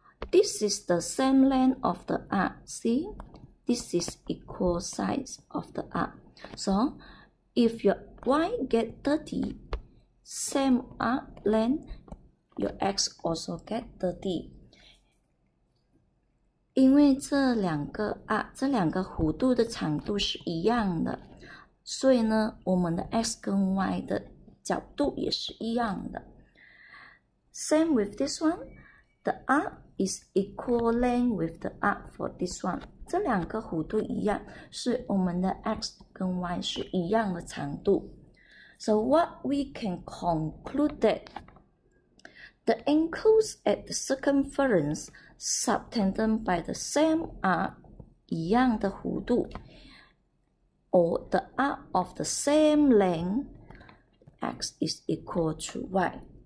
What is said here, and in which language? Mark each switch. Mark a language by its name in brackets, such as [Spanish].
[English] This is the same length of the arc, see? This is equal size of the arc. So if your Y get 30, same arc length, your X also get 30. [Chinese] 因为这两个 arc, 这两个弧度的长度是一样的, 所以呢, 我们的 X 跟 Y 的角度也是一样的。 [English] Same with this one, the arc is equal length with the arc for this one. [Chinese] 这两个弧度一样, 是我们的 X 跟 Y 是一样的长度。 [English] So what we can conclude that the angles at the circumference subtended by the same arc [Chinese] 一样的弧度, [English] or the arc of the same length, X is equal to Y.